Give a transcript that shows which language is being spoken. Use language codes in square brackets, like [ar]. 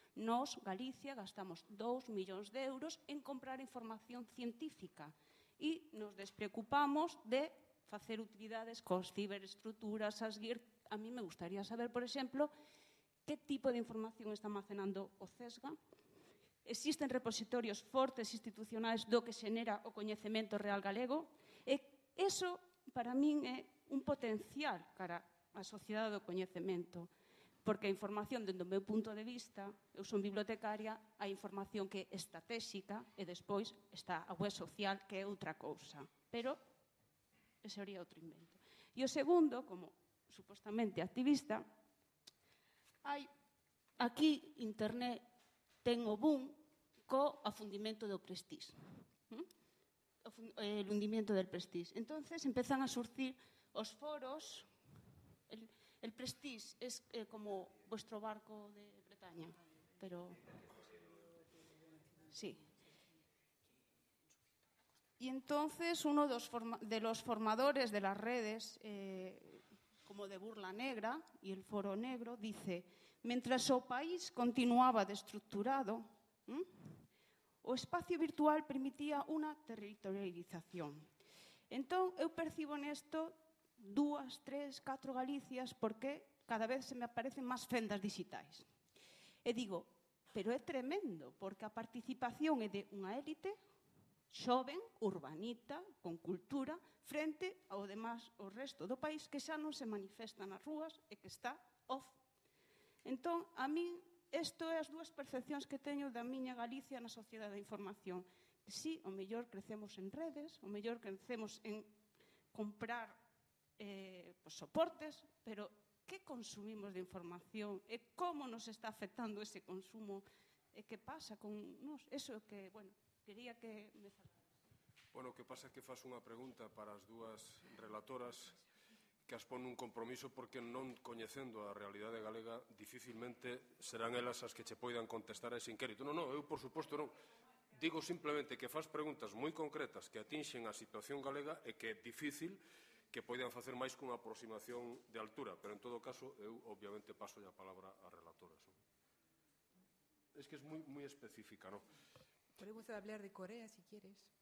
[gl] Nos, Galicia, gastamos 2 millóns de euros en comprar información científica e nos despreocupamos de facer utilidades cos ciberestructuras, as GIR. A mí me gustaría saber, por exemplo, que tipo de información está almacenando o CESGA. Existen repositorios fortes institucionais do que xenera o coñecemento real galego. E eso, para min, é un potencial cara a sociedade do coñecemento, porque a información, dende o meu punto de vista, eu son bibliotecaria, a información que é estratégica e despois está a web social, que é outra cousa. Pero ese sería outro invento. E o segundo, como supostamente activista, hai aquí internet ten o boom co afundimento do prestige. [es] O hundimento del prestige. Entonces empezan a surgir os foros. El Prestige es como vuestro barco de Bretaña, pero sí. Y entonces uno de los formadores de las redes, como de Burla Negra y el Foro Negro, dice: mientras o país continuaba destructurado, o espacio virtual permitía una territorialización. [gl] Entonces, eu percibo en esto dúas, tres, catro Galicias, porque cada vez se me aparecen máis fendas digitais. E digo, pero é tremendo, porque a participación é de unha élite xoven, urbanita, con cultura, frente ao demás, ao resto do país, que xa non se manifesta nas rúas e que está off. Entón, a mí, isto é as dúas percepcións que teño da miña Galicia na sociedade da información. Sí, o mellor crecemos en redes, o mellor crecemos en comprar pues soportes, pero que consumimos de información e como nos está afectando ese consumo e que pasa con nos? [es] Eso que, bueno, quería que me cerrara. [gl] Bueno, que pasa que faz unha pregunta para as dúas relatoras que as pon un compromiso porque non coñecendo a realidade galega difícilmente serán elas as que che poidan contestar a ese inquérito. Non, non, eu por suposto non. Digo simplemente que faz preguntas moi concretas que atinxen a situación galega e que é difícil que poidan facer máis cunha aproximación de altura, pero en todo caso eu obviamente paso a palabra á relatora. [es] Es que es moi moi específica, ¿no? Podemos hablar de Corea si quieres.